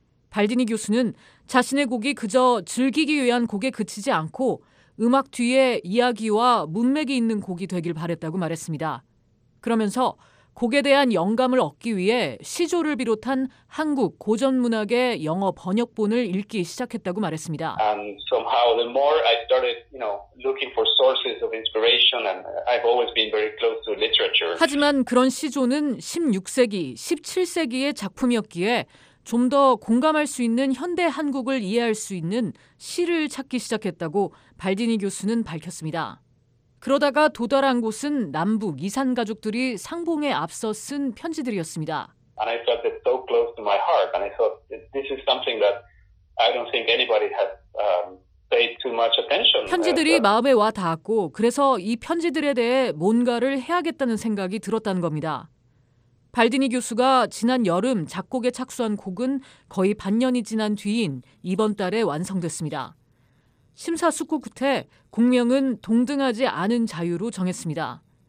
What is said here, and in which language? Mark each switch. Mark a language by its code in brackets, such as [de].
[ko] 발디니 교수는 자신의 곡이 그저 즐기기 위한 곡에 그치지 않고 음악 뒤에 이야기와 문맥이 있는 곡이 되길 바랬다고 말했습니다. 그러면서 곡에 대한 영감을 얻기 위해 시조를 비롯한 한국 고전 문학의 영어 번역본을 읽기 시작했다고 말했습니다. [en] And somehow the more I started, you know, looking for sources of inspiration and I've always been very close to literature. [ko] 하지만 그런 시조는 16세기, 17세기의 작품이었기에 좀 더 공감할 수 있는 현대 한국을 이해할 수 있는 시를 찾기 시작했다고 발디니 교수는 밝혔습니다. 그러다가 도달한 곳은 남북 이산 가족들이 상봉에 앞서 쓴 편지들이었습니다. [en] And I felt it so close to my heart, and I thought this is something that I don't think anybody has paid too much attention. [ko] 편지들이 마음에 와 닿았고, 그래서 이 편지들에 대해 뭔가를 해야겠다는 생각이 들었다는 겁니다. 발디니 교수가 지난 여름 작곡에 착수한 곡은 거의 반년이 지난 뒤인 이번 달에 완성됐습니다. 심사숙고 끝에 곡명은 동등하지 않은 자유로 정했습니다.